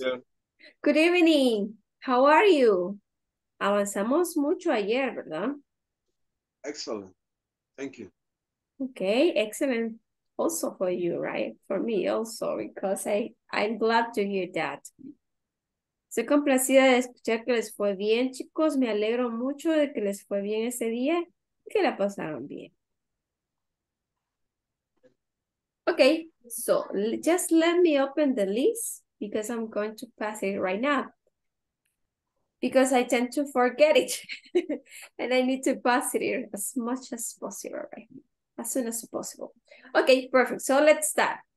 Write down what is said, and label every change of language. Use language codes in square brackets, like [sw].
[en] Good evening, good evening. How are you? [es] Avanzamos mucho ayer, ¿verdad? [en] Excellent. Thank you. Okay, excellent. Also for you, right? For me also, because I'm glad to hear that. [es] Estoy complacida de escuchar que les fue bien, chicos. Me alegro mucho de que les fue bien ese día y que la pasaron bien. [en] Okay, so just let me open the list because I'm going to pass it right now. Because I tend to forget it and I need to pass it here as much as possible, right? As soon as possible. Okay, perfect. So let's start.